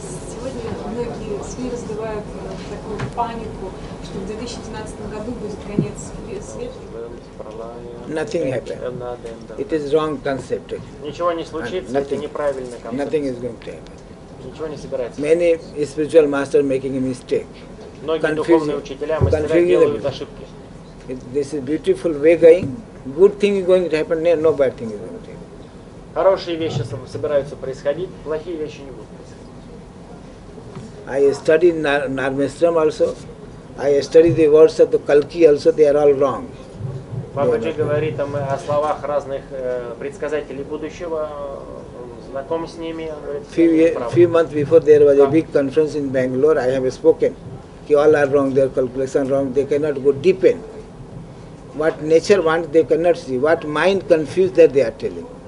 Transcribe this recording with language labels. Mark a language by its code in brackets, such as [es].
[ru] Сегодня многие СМИ развивают такую панику, что в 2012 году будет конец света. [en] Nothing happened. It is wrong concept. [ru] Ничего не случится, это неправильный концепт. [en] Nothing is going to happen. [ru] Ничего не собирается. [en] Many spiritual masters making a mistake. [ru] Многие духовные учителя делают ошибки. [en] This is beautiful way going. Good thing is going to happen. No bad thing is going to happen. [ru] Хорошие вещи собираются происходить, плохие вещи не будут происходить. [en] I study Narmastram also. I study the words of the Kalki also. They are all wrong. [ru] Бабаджи говорит о словах разных предсказателей будущего. Знаком с ними. [en] Few months before there was a big conference in Bangalore. I have spoken. All are wrong. Their calculation wrong. They cannot go deep in. What nature wants, they cannot see. What mind confused that they are telling.